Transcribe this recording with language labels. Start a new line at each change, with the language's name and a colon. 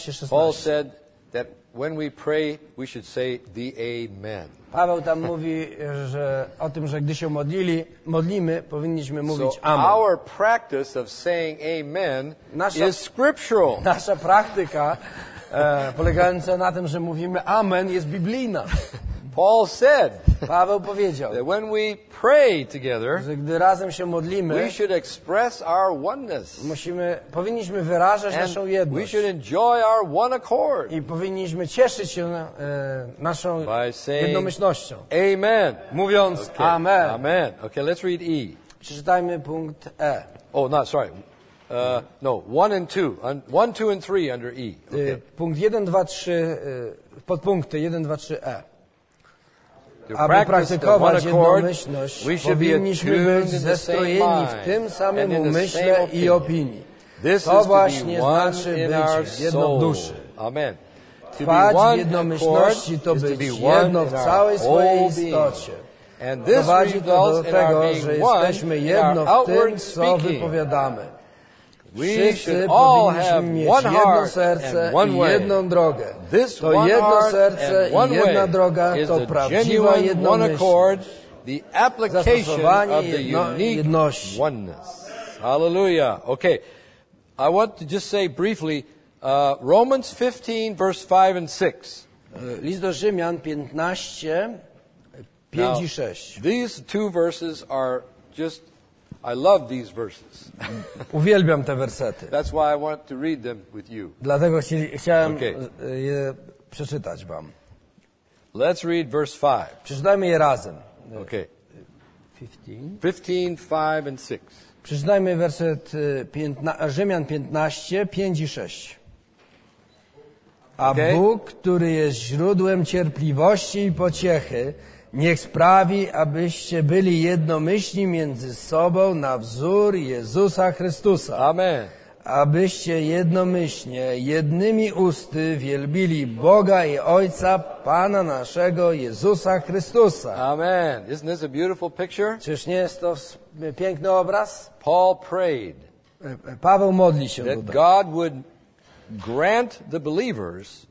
English: Paul said that when we pray, we should say the Amen.
Polish: Paweł tam mówi, że o tym, że gdy się modlimy, powinniśmy mówić Amen.
English: So our practice of saying Amen is scriptural.
Polish: Nasza praktyka polegająca na tym, że mówimy Amen, jest biblijna.
English: Paul said,
Polish: Paweł powiedział,
English: that when we pray together,
Polish: że gdy razem się modlimy,
English: we should express our oneness.
Polish: Powinniśmy wyrażać naszą jedność.
English: We should enjoy our one accord.
Polish: I powinniśmy cieszyć się naszą jednomyślnością. Amen. Mówiąc okay. Amen.
English: Amen. Okay, let's read E.
Polish: Przeczytajmy punkt E.
English: Oh, not sorry. One and two. One, two and three under E. Okay.
Polish: Punkt 1, 2, 3, podpunkty 1, 2, 3 E. Aby praktykować jednomyślność, powinniśmy być zestrojeni w tym samym umyśle i opinii. To właśnie znaczy być w jedno w duszy. Amen. Trwać w jednomyślności to być jedno w całej swojej istocie. Prowadzi to do tego, że jesteśmy jedno w tym, co wypowiadamy. Wszyscy powinniśmy mieć jedno serce i jedną drogę. To jedno serce i jedna droga to prawdziwa jednomyślność. Zastosowanie jedności. Hallelujah. Okay.
English: I want to just say briefly, Romans 15, verse 5 and 6.
Polish: List do Rzymian 15, 5 i 6.
English: These two verses are just I love these verses.
Polish: Uwielbiam te wersety.
English: That's why I want to read them with you.
Polish: Dlatego chciałem je przeczytać wam.
English: Let's read verse 5.
Polish: Przeczytajmy je razem.
English: Okay. 15:5-6.
Polish: Przeczytajmy werset Rzymian 15, 5 i 6. A okay. Bóg, który jest źródłem cierpliwości i pociechy, niech sprawi, abyście byli jednomyślni między sobą na wzór Jezusa Chrystusa. Amen. Abyście jednomyślnie, jednymi usty wielbili Boga i Ojca, Pana naszego Jezusa Chrystusa. Amen.
English: Isn't this a beautiful picture?
Polish: Czyż nie jest to piękny obraz?
English: Paul prayed.
Polish: Paweł modli się
English: that God would grant the believers,